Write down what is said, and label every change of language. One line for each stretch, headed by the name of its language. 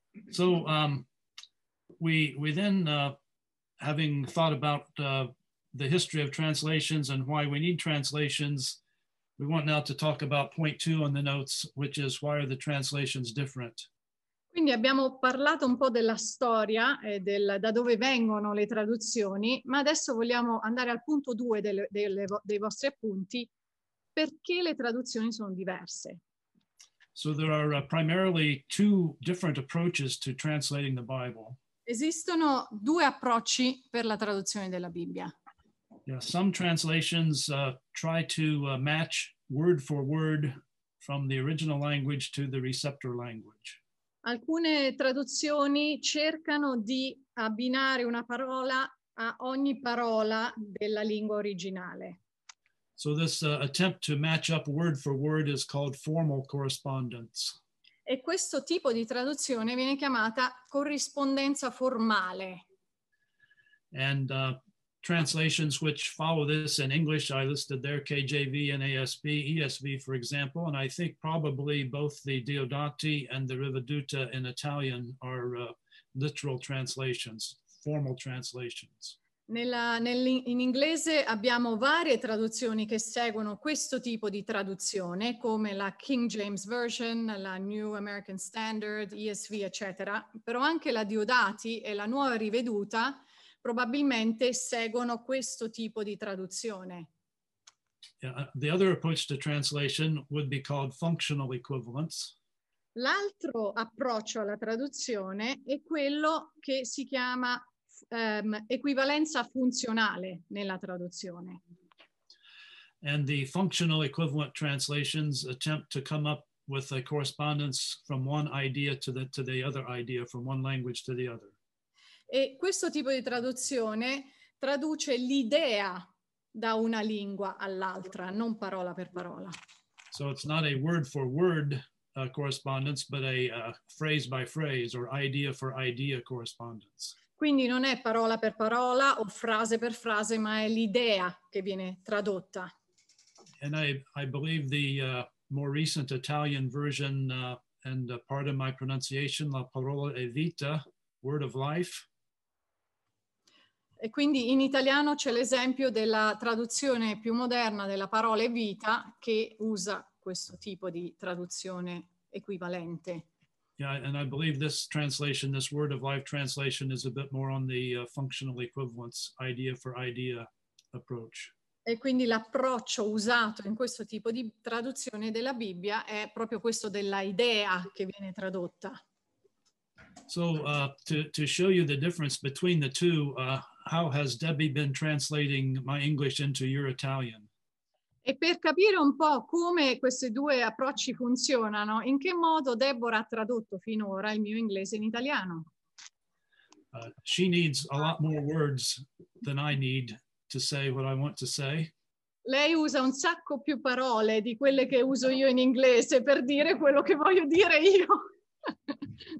English: So, we then, having thought about the history of translations and why we need translations, we want now to talk about point two on the notes, which is why are the translations different?
Italian: Quindi abbiamo parlato un po' della storia e del da dove vengono le traduzioni, ma adesso vogliamo andare al punto due dei vostri appunti. Perché le traduzioni sono diverse?
English: So there are primarily two different approaches to translating the Bible.
Italian: Esistono due approcci per la traduzione della Bibbia.
English: Yeah, some translations try to match word for word from the original language to the receptor language.
Italian: Alcune traduzioni cercano di abbinare una parola a ogni parola della lingua originale.
English: So this attempt to match up word for word is called formal correspondence.
Italian: E questo tipo di traduzione viene chiamata corrispondenza formale.
English: And translations which follow this in English, I listed there KJV and ASB, ESV for example, and I think probably both the Diodati and the Rivaduta in Italian are literal translations, formal translations.
Italian: In inglese abbiamo varie traduzioni che seguono questo tipo di traduzione, come la King James Version, la New American Standard, ESV, eccetera. Però anche la Diodati e la Nuova Riveduta probabilmente seguono questo tipo di traduzione.
English: Yeah, the other approach to translation would be called functional equivalence.
Italian: L'altro approccio alla traduzione è quello che si chiama equivalenza funzionale nella traduzione.
English: And the functional equivalent translations attempt to come up with a correspondence from one idea to the other idea, from one language to the other.
Italian: E questo tipo di traduzione traduce l'idea da una lingua all'altra, non parola per parola.
English: So it's not a word for word correspondence, but a phrase by phrase or idea for idea correspondence.
Italian: Quindi non è parola per parola o frase per frase, ma è l'idea che viene tradotta.
English: And I believe the more recent Italian version, and part of my pronunciation, la parola è vita, word of life.
Italian: E quindi in italiano c'è l'esempio della traduzione più moderna della parola vita che usa questo tipo di traduzione equivalente.
English: Yeah, and I believe this translation, this word of life translation, is a bit more on the functional equivalence, idea for idea approach.
Italian: E quindi l'approccio usato in questo tipo di traduzione della Bibbia è proprio questo della idea che viene tradotta.
English: So to show you the difference between the two, how has Debbie been translating my English into your Italian?
Italian: E per capire un po' come questi due approcci funzionano, in che modo Deborah ha tradotto finora il mio inglese in italiano?
English: She needs a lot more words than I need to say what I want to say.
Italian: Lei usa un sacco più parole di quelle che uso io in inglese per dire quello che voglio dire io.